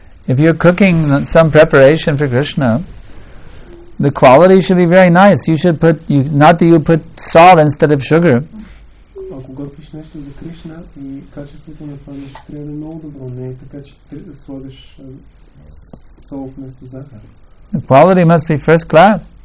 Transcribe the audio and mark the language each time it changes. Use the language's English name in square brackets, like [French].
[English] If you're cooking some preparation for Krishna, the quality should be very nice. You should put, you, not that you put salt instead of sugar. [Bulgarian] Ако готвиш нещо за Кришна и качеството на това нещо трябва да е много добро, не е така, че сладиш сол вместо захар. [English] The quality must be first class.